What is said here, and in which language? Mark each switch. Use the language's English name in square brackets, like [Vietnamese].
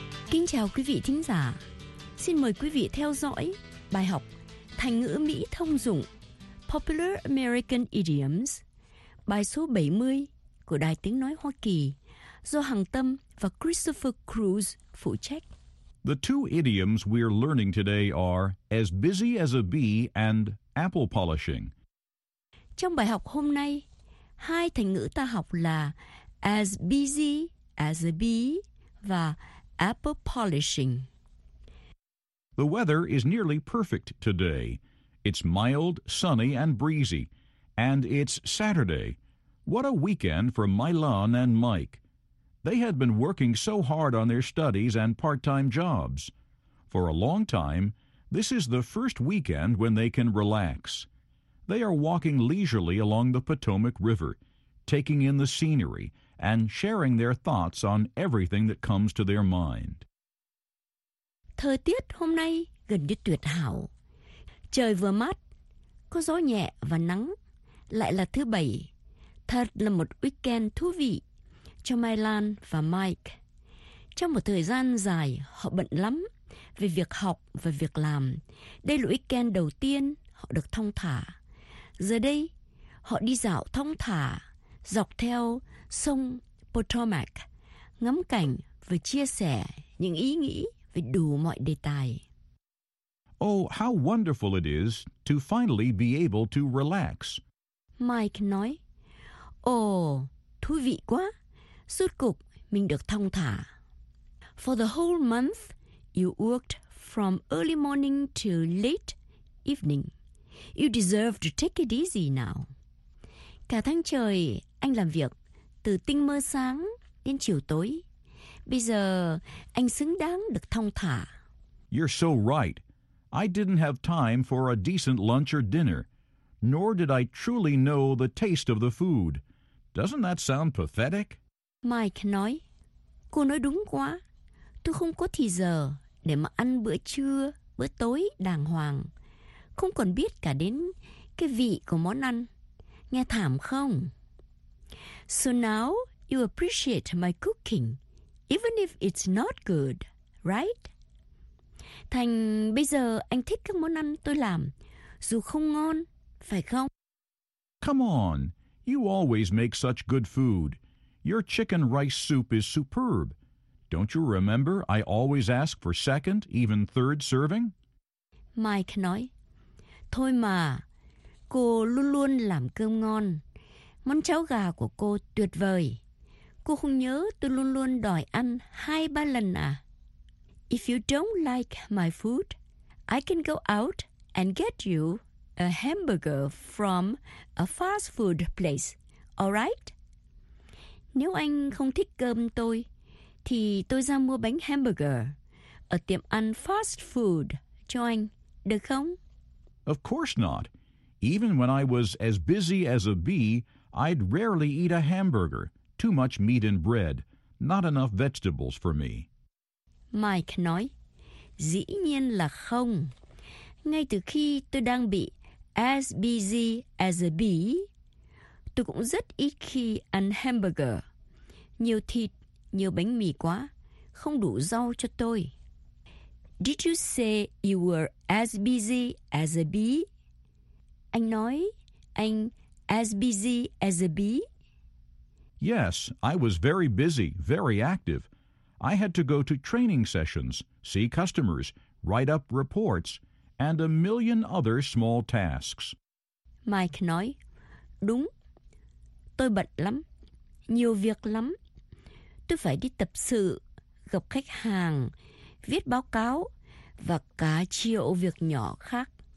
[Vietnamese] Kính chào quý vị thính giả. Xin mời quý vị theo dõi bài học thành ngữ Mỹ thông dụng [English] Popular American Idioms, [Vietnamese] bài số 70 của Đài Tiếng Nói Hoa Kỳ do Hằng Tâm và Christopher Cruz phụ trách. [English] The two idioms we're learning today are as busy as a bee and apple polishing. [Vietnamese] Trong bài học hôm nay, hai thành ngữ ta học là [English] as busy as a bee [Vietnamese] và [English] apple polishing. The weather is nearly perfect today. It's mild, sunny, and breezy. And it's Saturday. What a weekend for Mylon and Mike. They had been working so hard on their studies and part-time jobs. For a long time, this is the first weekend when they can relax. They are walking leisurely along the Potomac River, taking in the scenery and sharing their thoughts on everything that comes to their mind. [Vietnamese] Thời tiết hôm nay gần như tuyệt hảo. Trời vừa mát, có gió nhẹ và nắng. Lại là thứ bảy. Thật là một weekend thú vị cho Mylon và Mike. Trong một thời gian dài, họ bận lắm về việc học và việc làm. Đây là weekend đầu tiên họ được thong thả. Giờ đây, họ đi dạo thong thả dọc theo sông Potomac, ngắm cảnh và chia sẻ những ý nghĩ về đủ mọi đề tài. [English] Oh, how wonderful it is to finally be able to relax. [Vietnamese] Mike nói, Oh, thú vị quá. suốt cuộc mình được thong thả. [English] For the whole month, you worked from early morning to late evening. You deserve to take it easy now. [Vietnamese] Cả tháng trời, anh làm việc, từ tinh mơ sáng đến chiều tối. Bây giờ, anh xứng đáng được thong thả. [English] You're so right. I didn't have time for a decent lunch or dinner, nor did I truly know the taste of the food. Doesn't that sound pathetic? [Vietnamese] Mike nói, cô nói đúng quá. Tôi không có thì giờ để mà ăn bữa trưa, bữa tối đàng hoàng. Không còn biết cả đến cái vị của món ăn. Nghe thảm không? [English] So now you appreciate my cooking, even if it's not good, right? [Vietnamese] Thành bây giờ anh thích các món ăn tôi làm, dù không ngon, phải không? [English] Come on, you always make such good food. Your chicken rice soup is superb. Don't you remember I always ask for second, even third serving? [Vietnamese] Mike nói, thôi mà, cô luôn luôn làm cơm ngon. Món cháo gà của cô tuyệt vời. Cô không nhớ tôi luôn luôn đòi ăn hai ba lần à? [English] If you don't like my food, I can go out and get you a hamburger from a fast food place, all right? [Vietnamese] Nếu anh không thích cơm tôi, thì tôi ra mua bánh hamburger ở tiệm ăn fast food cho anh, được không? [English] Of course not. Even when I was as busy as a bee, I'd rarely eat a hamburger. Too much meat and bread. Not enough vegetables for me. [Vietnamese] Mike nói, dĩ nhiên là không. Ngay từ khi tôi đang bị [English] as busy as a bee, [Vietnamese] tôi cũng rất ít khi ăn hamburger. Nhiều thịt, nhiều bánh mì quá, không đủ rau cho tôi. [English] Did you say you were as busy as a bee? [Vietnamese] Anh nói, anh [English] as busy as a bee? Yes, I was very busy, very active. I had to go to training sessions, see customers, write up reports, and a million other small tasks. [Vietnamese] Mike nói, đúng, tôi bận lắm, nhiều việc lắm. Tôi phải đi tập sự, gặp khách hàng, viết báo cáo, và cả triệu việc nhỏ khác.